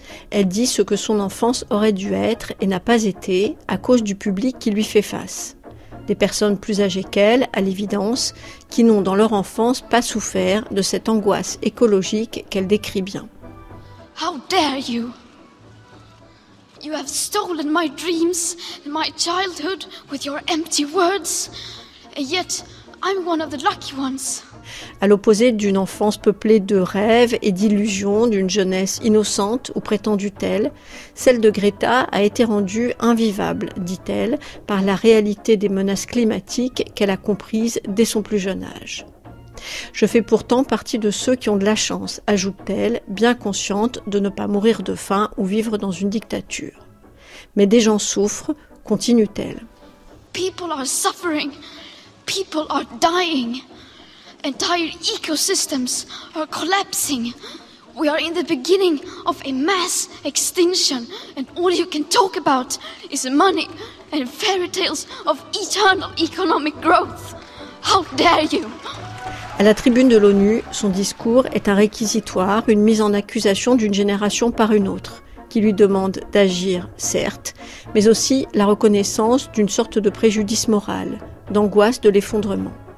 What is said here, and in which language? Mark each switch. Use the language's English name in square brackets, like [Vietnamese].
[French] Elle dit ce que son enfance aurait dû être et n'a pas été à cause du public qui lui fait face. Des personnes plus âgées qu'elle, à l'évidence, qui n'ont dans leur enfance pas souffert de cette angoisse écologique qu'elle décrit bien. [English] How dare you? You have stolen my dreams and my childhood with your empty words. And yet, I'm one of the lucky ones. [French] À l'opposé d'une enfance peuplée de rêves et d'illusions, d'une jeunesse innocente ou prétendue telle, celle de Greta a été rendue invivable, dit-elle, par la réalité des menaces climatiques qu'elle a comprises dès son plus jeune âge. « Je fais pourtant partie de ceux qui ont de la chance », ajoute-t-elle, bien consciente de ne pas mourir de faim ou vivre dans une dictature. « Mais des gens souffrent », continue-t-elle. [English] « People are suffering, people are dying. » Entire ecosystems are collapsing. We are in the beginning of a mass extinction, and all you can talk about is money and fairy tales of eternal economic growth. How dare you? [French] À la tribune de l'ONU, son discours est un réquisitoire, une mise en accusation d'une génération par une autre, qui lui demande d'agir, certes, mais aussi la reconnaissance d'une sorte de préjudice moral, d'angoisse de l'effondrement.